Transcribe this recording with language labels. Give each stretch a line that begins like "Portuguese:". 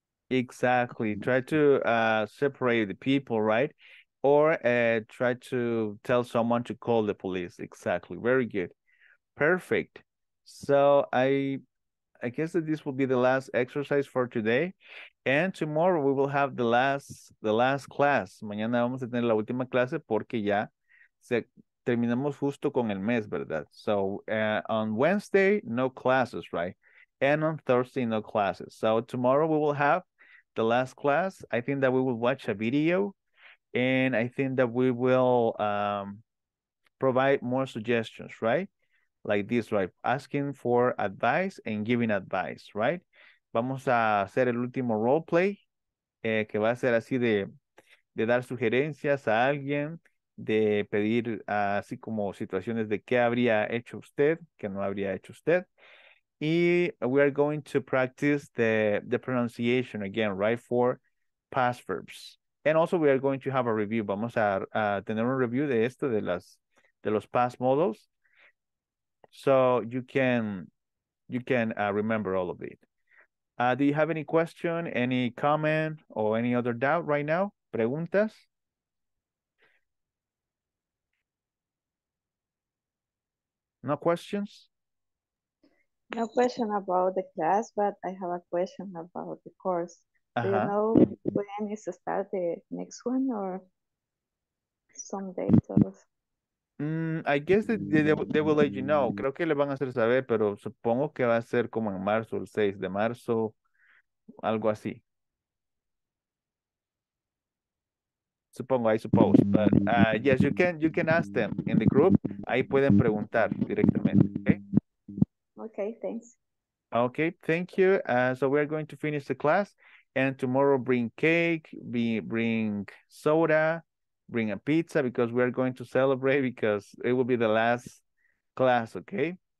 English: Exactly. Try to separate the people, right? Or try to tell someone to call the police. Exactly. Very good. Perfect. So I guess that this will be the last exercise for today. And tomorrow we will have the last class.
Spanish: Mañana vamos a tener la última clase porque ya terminamos justo con el mes, ¿verdad?
English: So on Wednesday, no classes, right? And on Thursday, no classes. So tomorrow we will have the last class. I think that we will watch a video. And I think that we will provide more suggestions, right? Like this, right? Asking for advice and giving advice, right?
Spanish: Vamos a hacer el último role play, que va a ser así de dar sugerencias a alguien, de pedir así como situaciones de qué habría hecho usted, qué no habría hecho usted.
English: Y we are going to practice the pronunciation again, right, for past verbs. And also we are going to have a review.
Spanish: Vamos a tener un review de esto, de los past modals.
English: So you can remember all of it. Do you have any question, any comment, or any other doubt right now?
Spanish: ¿Preguntas?
English: No questions? No question about the class, but I have a question about the course. Uh-huh. Do you know when is to start the next one or some date or I guess they will let you know.
Spanish: Creo que le van a hacer saber, pero supongo que va a ser como en marzo, el 6 de marzo, algo así. Supongo,
English: I suppose, but yes, you can ask them in the group.
Spanish: Ahí pueden preguntar directamente. Okay.
English: Okay. Thanks. Okay. Thank you. So we are going to finish the class, and tomorrow bring cake, bring soda, bring a pizza because we are going to celebrate because it will be the last class. Okay.